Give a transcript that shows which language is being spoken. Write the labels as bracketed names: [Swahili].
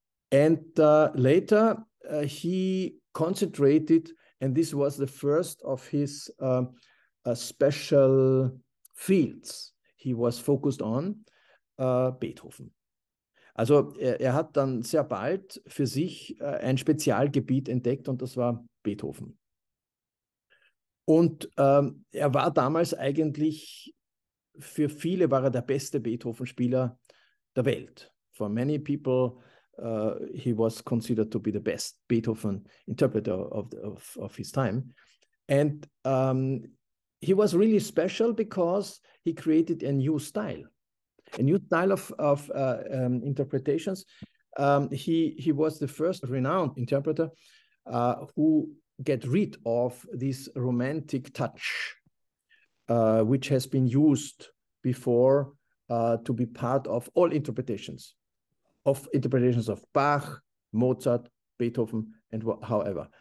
[English] And later he concentrated, and this was the first of his special fields he was focused on, Beethoven. [German] Also er hat dann sehr bald für sich ein Spezialgebiet entdeckt und das war Beethoven. Und er war damals eigentlich, für viele war er der beste Beethoven-Spieler der Welt. [English] For many people, he was considered to be the best Beethoven interpreter of his time. And he was really special because he created a new style. A new style of interpretations. He was the first renowned interpreter who get rid of this romantic touch, which has been used before to be part of all interpretations of Bach, Mozart, Beethoven, and however.